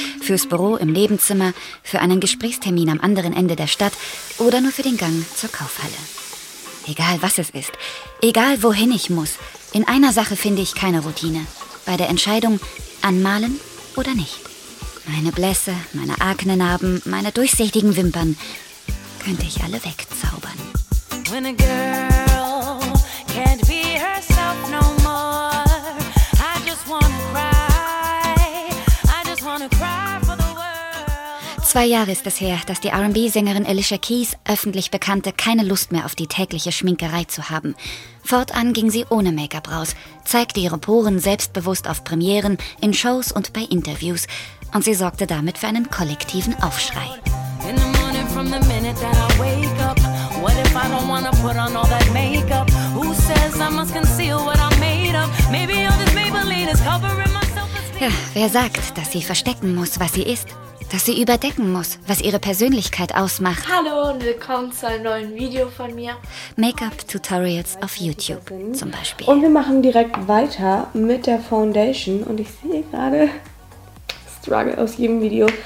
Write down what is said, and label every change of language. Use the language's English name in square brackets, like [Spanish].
[German] Fürs Büro, im Nebenzimmer, für einen Gesprächstermin am anderen Ende der Stadt oder nur für den Gang zur Kaufhalle. Egal, was es ist. Egal, wohin ich muss. In einer Sache finde ich keine Routine. Bei der Entscheidung, anmalen oder nicht. Meine Blässe, meine Aknenarben, meine durchsichtigen Wimpern könnte ich alle wegzaubern. [English] When a girl can't be herself no more, I just wanna cry, I just wanna cry for the world. [German] 2 Jahre ist es her, dass die R&B-Sängerin Alicia Keys öffentlich bekannte, keine Lust mehr auf die tägliche Schminkerei zu haben. Fortan ging sie ohne Make-up raus, zeigte ihre Poren selbstbewusst auf Premieren, in Shows und bei Interviews. Und sie sorgte damit für einen kollektiven Aufschrei. [English] In the morning from the minute that I wake up, what if I don't wanna put on all that makeup? Who says I must conceal what I'm made of? Maybe all this Maybelline is covering myself. [German] Ja, wer sagt, dass sie verstecken muss, was sie ist? Dass sie überdecken muss, was ihre Persönlichkeit ausmacht? Hallo und willkommen zu einem neuen Video von mir. Make-up-Tutorials auf YouTube zum Beispiel. Und wir machen direkt weiter mit der Foundation. Und ich sehe gerade Struggle aus jedem Video.